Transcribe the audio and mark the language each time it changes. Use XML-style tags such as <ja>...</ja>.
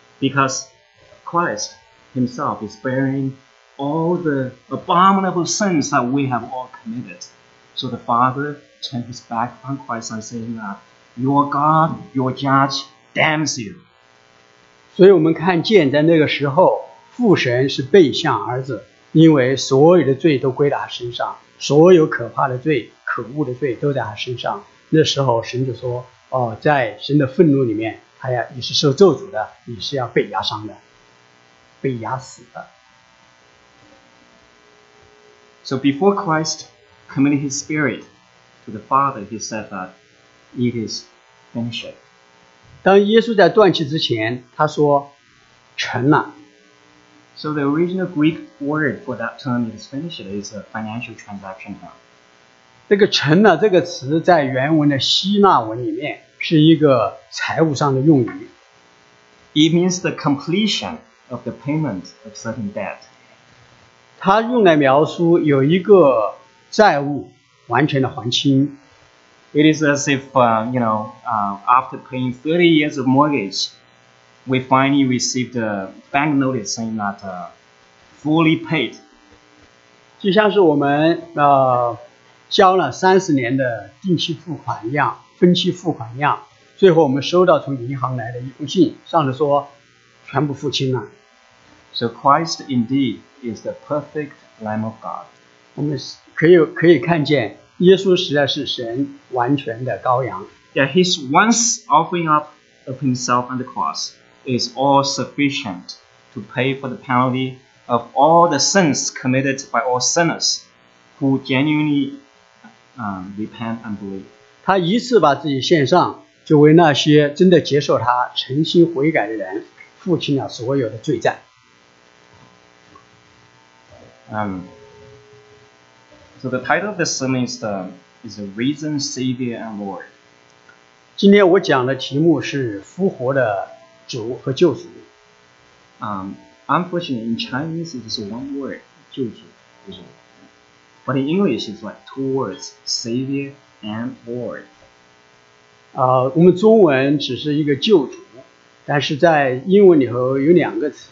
<en>Because Christ himself is bearing all the abominable sins that we have all committed. So the Father turned his back on Christ and saying that, Your God, your judge, damns you.</en> <zh>所以我们看见在那个时候，父神是背向儿子，因为所有的罪都归到他身上，所有可怕的罪、可恶的罪都在他身上。那时候神就说，哦，在神的愤怒里面，他呀，你是受咒诅的，你是要被压伤的，被压死的。</zh> <en>So before Christ committed his spirit to the Father, he said that it is finished.</en> <zh>当耶稣在断气之前，他说成了。</zh> <en>So the original Greek word for that term is finished is a financial transaction term.</en> <zh>这个成了这个词在原文的希腊文里面是一个财务上的用语。</zh> <en>It means the completion of the payment of certain debt.</en> <zh>他用来描述有一个债务完全的还清。</zh> <en>It is as if, you know, after paying 30 years of mortgage, we finally received a bank notice saying that fully paid.</en> <zh>就像是我们交了30年的定期付款一样，分期付款一样，最后我们收到从银行来的一封信，上面说全部付清了。</zh> <en>So Christ indeed is the perfect Lamb of God.</en> <zh>我们可以看见耶稣实在是神完全的羔羊。</zh> <en>Yeah, his once offering up of himself on the cross is all sufficient to pay for the penalty of all the sins committed by all sinners who genuinely repent and believe.</en> <zh>他一次把自己献上，就为那些真的接受他、诚心悔改的人付清了所有的罪债。</zh> <en>So the title of this sermon is the Risen Savior and Lord.</en> <zh>今天我讲的题目是复活的主和救主。</zh> <en>Unfortunately, in Chinese, it is one word, 救主, 救主. But in English, it's like two words, Savior and Lord.</en> <zh>我们中文只是一个救主，但是在英文里头有两个词，</zh>